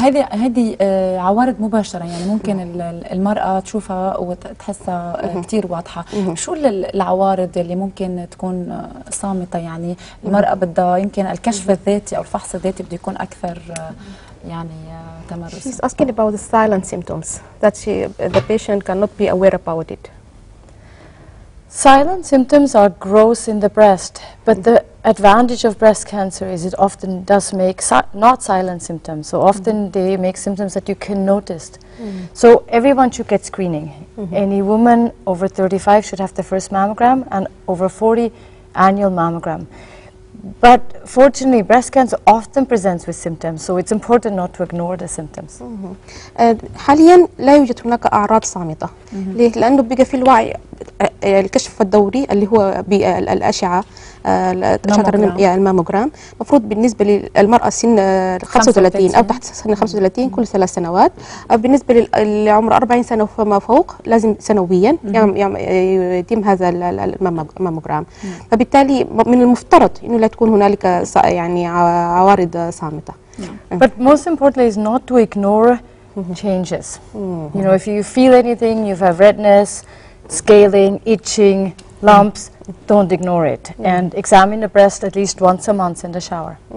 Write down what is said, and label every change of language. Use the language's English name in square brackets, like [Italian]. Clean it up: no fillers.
[Arabic] هذه عوارض مباشره يعني ممكن المراه تشوفها وتحسها كثير واضحه. شو العوارض اللي ممكن تكون صامته؟ يعني المراه بدها يمكن الكشف الذاتي او الفحص الذاتي بده يكون اكثر يعني تمرس. [English] She's asking about the silent symptoms that she, the patient cannot be aware about it. Silent symptoms are growths in the breast, but the advantage of breast cancer is it often does make not silent symptoms. So often they make symptoms that you can notice. So everyone should get screening. Any woman over 35 should have the first mammogram, and over 40 annual mammogram. But fortunately, breast cancer often presents with symptoms, so it's important not to ignore the symptoms. [Arabic] حاليا لا يوجد هناك أعراض صامتة. ليه؟ لأنه بيجي في الوعي الكشف الدوري اللي هو بالأشعة الماموغرام. مفروض بالنسبة للمرأة سن 35 أو تحت سن 35 كل 3 سنوات. بالنسبة للعمر 40 سنة فما فوق لازم سنويا يتم هذا الماموغرام. فبالتالي من المفترض إنه لا تكون هنالك يعني عوارض صامتة. [English] But most importantly is not to ignore changes. You know, if you feel anything, you have redness, scaling, itching, lumps, don't ignore it. And examine the breast at least once a month in the shower.